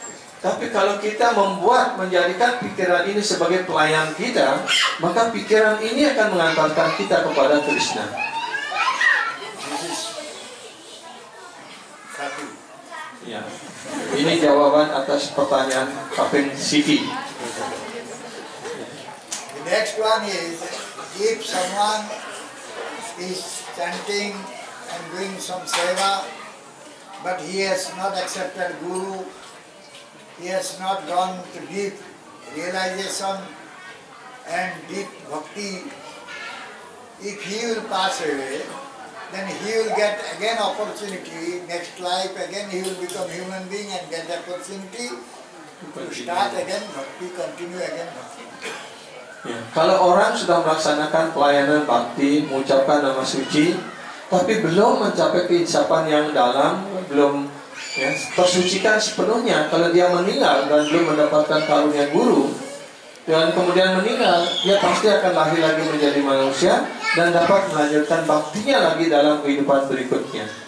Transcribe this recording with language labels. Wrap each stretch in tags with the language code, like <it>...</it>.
<id>feet. Tapi kalau kita menjadikan pikiran ini sebagai pelayan kita, maka pikiran ini akan mengantarkan kita kepada Krishna. Ya. Ini jawaban atas pertanyaan Kapten Siti.</id> <en>The next one is, if someone is chanting and doing some seva, but he has not accepted guru, he has not gone to deep realization and deep bhakti, if he will pass away, then he will get again opportunity, next life again he will become human being and get the opportunity to start again bhakti, continue again bhakti.</en> <id>Ya. Kalau orang sudah melaksanakan pelayanan bhakti, mengucapkan nama suci, tapi belum mencapai keinsapan yang dalam, belum tersucikan sepenuhnya, kalau dia meninggal dan belum mendapatkan karunia guru, dan kemudian meninggal, dia pasti akan lahir lagi menjadi manusia dan dapat melanjutkan baktinya lagi dalam kehidupan berikutnya.</id>